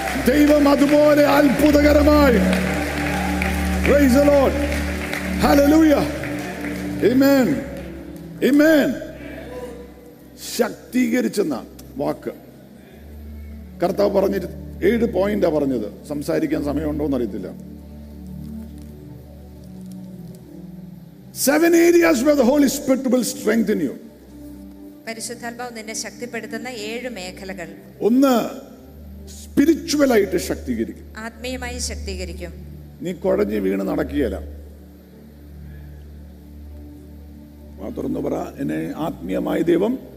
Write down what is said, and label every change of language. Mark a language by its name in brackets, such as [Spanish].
[Malayalam] ദൈവം അതുപോലെ അത്ഭുതകരമായി. [English] praise the Lord, [Malayalam] ഹല്ലേലൂയ, ആമേൻ, ആമേൻ. ശക്തീകരിച്ചെന്ന വാക്ക് കർത്താവ് പറഞ്ഞിട്ട് 7 പോയിന്റാണ് പറഞ്ഞത്. സംസാരിക്കാൻ സമയമുണ്ടോ എന്നറിയത്തില്ല. [English] 7 areas where the Holy Spirit will strengthen you. [Malayalam] പരിശുദ്ധാത്മാവ് നിന്നെ ശക്തിപ്പെടുത്തുന്ന 7 മേഖലകൾ. ഒന്ന്, സ്പിരിച്വൽ ആയിട്ട് ശക്തീകരിക്കും, ആത്മീയമായി ശക്തീകരിക്കും. നീ കുഴഞ്ഞു വീണ് നടക്കുകയല്ല, തുറന്നു പറ എന്നെ ആത്മീയമായി ദൈവം